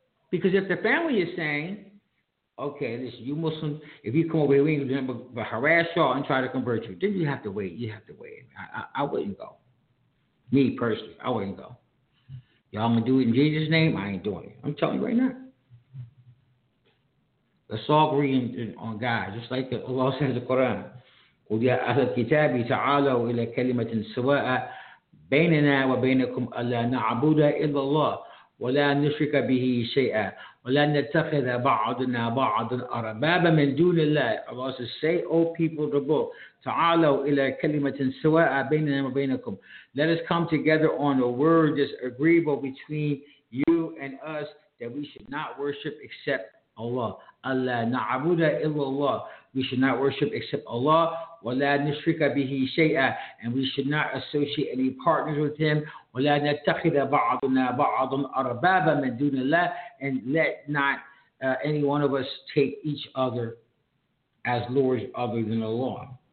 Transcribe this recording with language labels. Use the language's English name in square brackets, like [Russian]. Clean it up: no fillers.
[English] Because if the family is saying, okay, listen, you Muslim, if you come over here, we ain't going to harass y'all and try to convert you. Then you have to wait. You have to wait. I wouldn't go. Me, personally, I wouldn't go. Y'all going to do it in Jesus' name? I ain't doing it. I'm telling you right now. Let's all agree on God. Just like Allah says in the Quran. [Arabic] قُلْ يَا أَهْلَ الْكِتَابِ تَعَالَوْا إِلَى كَلِمَةٍ سَوَاءَ بَيْنَنَا وَبَيْنَكُمْ أَلَّا نَعْبُدَ إِلَّا اللَّهِ وَلَا نُشْرِكَ بِهِ شَيْئًا وَلَا نَتَّخِذَ بَعْضُنَا بَعْضًا أَرَبَابًا مِنْ دُونِ اللَّهِ [English] Allah says, say, O people of the book, [Arabic] تَعَالَوْا إِلَى كَلِمَةٍ سَوَاءَ بَيْنَنَا وَبَيْنَكُمْ [English] Let us come together on a word that's agreeable between you and us that we should not worship except Allah. [Arabic] أَلَّا نَعْبُدَ إِلَّا اللَّهِ [English] We should not worship except Allah. [Arabic] وَلَا نُشْرِكَ بِهِ شَيْئًا [English] And we should not associate any partners with him. [Arabic] وَلَا نَتَّخِذَ بَعْضُنَا بَعْضًا أَرَبَابًا مِنْ دُونِ اللَّهِ [English] And let not any one of us take each other as lords other than Allah.